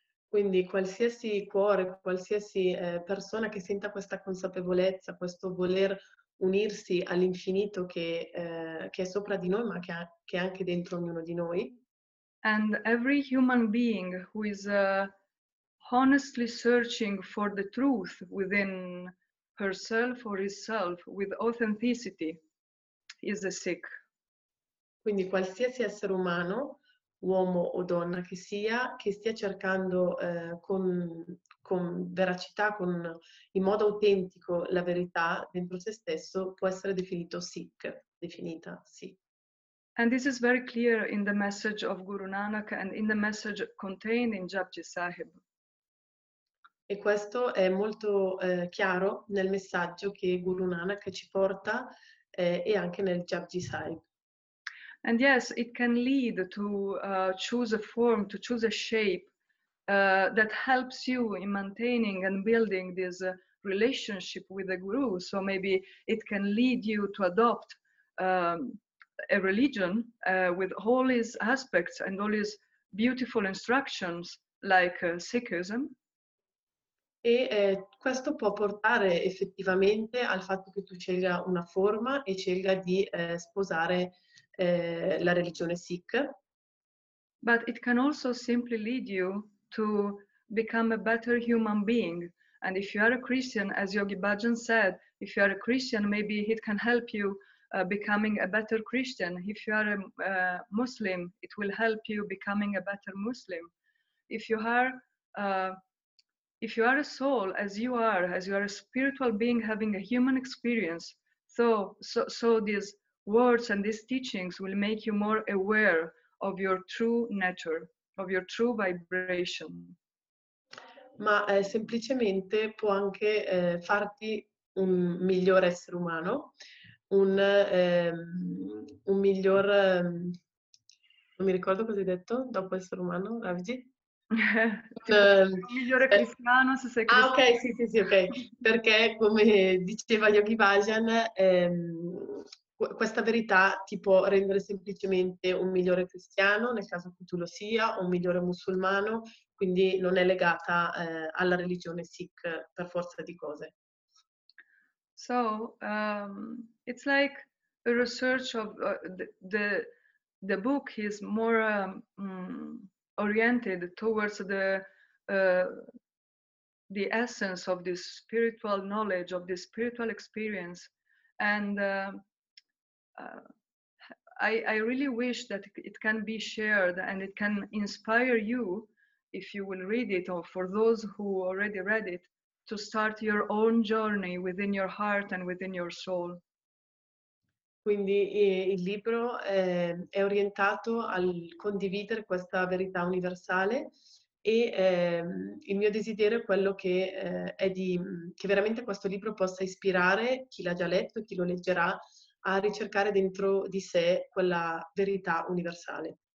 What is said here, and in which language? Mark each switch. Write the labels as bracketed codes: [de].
[it] Quindi qualsiasi cuore, qualsiasi persona che senta questa consapevolezza, questo voler unirsi all'infinito che è sopra di noi, ma che è anche dentro ognuno di noi. [en] And every human being who is honestly searching for the truth within herself or himself with authenticity is a Sikh. [it] Quindi qualsiasi essere umano, uomo o donna che sia, che stia cercando con veracità, in modo autentico la verità dentro se stesso, può essere definito Sikh, definita Sikh. [en] And this is very clear in the message of Guru Nanak and in the message contained in Japji Sahib. [it] E questo è molto chiaro nel messaggio che Guru Nanak ci porta e anche nel Japji Sahib. [en] And yes, it can lead to choose a form, to choose a shape that helps you in maintaining and building this relationship with the Guru. So maybe it can lead you to adopt a religion with all its aspects and all its beautiful instructions, like Sikhism. [it] E questo può portare effettivamente al fatto che tu scelga una forma e scelga di sposare la religione Sikh. [en] But it can also simply lead you to become a better human being. And if you are a Christian, as Yogi Bhajan said, if you are a Christian, maybe it can help you becoming a better Christian. If you are a Muslim, it will help you becoming a better Muslim. If you are a soul, as you are a spiritual being having a human experience, so this words and these teachings will make you more aware of your true nature, of your true vibration. [it] Ma semplicemente può anche farti un migliore essere umano, un miglior, non mi ricordo cosa hai detto dopo essere umano, Ravji? Un migliore cristiano, se sei cristiano. Ah, ok, sì, ok. Perché come diceva Yogi Bhajan, questa verità ti può rendere semplicemente un migliore cristiano, nel caso che tu lo sia, o un migliore musulmano, quindi non è legata alla religione Sikh per forza di cose. [en] So, it's like a research of the book is more oriented towards the essence of this spiritual knowledge, of this spiritual experience, and I really wish that it can be shared and it can inspire you if you will read it, or for those who already read it, to start your own journey within your heart and within your soul. [it] Quindi il libro è orientato al condividere questa verità universale e il mio desiderio è quello che è di che veramente questo libro possa ispirare chi l'ha già letto, chi lo leggerà, a ricercare dentro di sé quella verità universale.